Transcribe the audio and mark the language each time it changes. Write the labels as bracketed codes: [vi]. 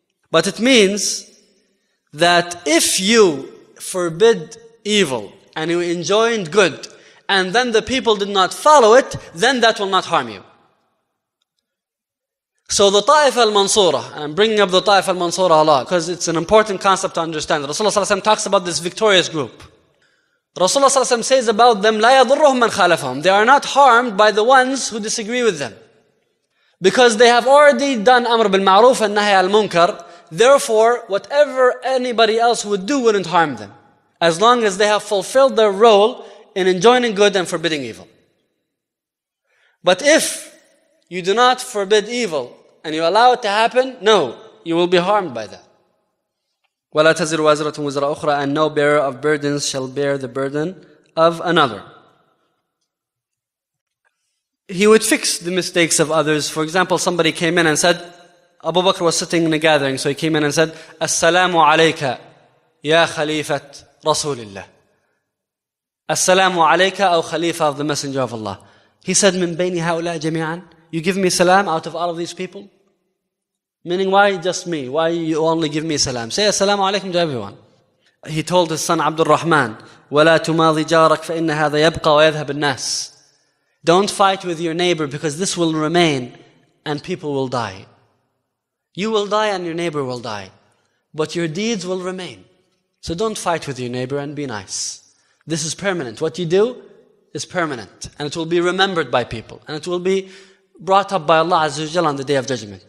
[en] But it means that if you forbid evil and you enjoined good and then the people did not follow it, then that will not harm you. So the Ta'if al-Mansurah, I'm bringing up the Ta'if al-Mansurah a lot because it's an important concept to understand. Rasulullah ﷺ talks about this victorious group. Rasulullah ﷺ says about them, [ar] لا يضرهم من خالفهم. [en] They are not harmed by the ones who disagree with them. Because they have already done Amr bil Ma'ruf and Nahi al Munkar. Therefore, whatever anybody else would do wouldn't harm them. As long as they have fulfilled their role in enjoining good and forbidding evil. But if you do not forbid evil and you allow it to happen, no, you will be harmed by that. [ar] ولا تزر وازرة وزر أخرى, [en] and no bearer of burdens shall bear the burden of another. He would fix the mistakes of others. For example, somebody came in and said, Abu Bakr was sitting in a gathering, so he came in and said, [ar] As-salamu alayka, ya khalifat Rasulillah. [en] As-salamu alayka, aw khalifa of the Messenger of Allah. He said, [ar] min bayni haula jami'an, [en] you give me salam out of all of these people? Meaning, why just me? Why you only give me salam? Say as-salamu alaykum to everyone. He told his son Abdul Rahman, [ar] وَلَا تُمَاضِ جَارَكْ فَإِنَّ هَذَا يَبْقَى وَيَذْهَبِ النَّاسِ. [en] Don't fight with your neighbor because this will remain and people will die. You will die and your neighbor will die, but your deeds will remain. So don't fight with your neighbor and be nice. This is permanent. What you do is permanent and it will be remembered by people and it will be brought up by Allah Azza wa Jalla on the Day of Judgment.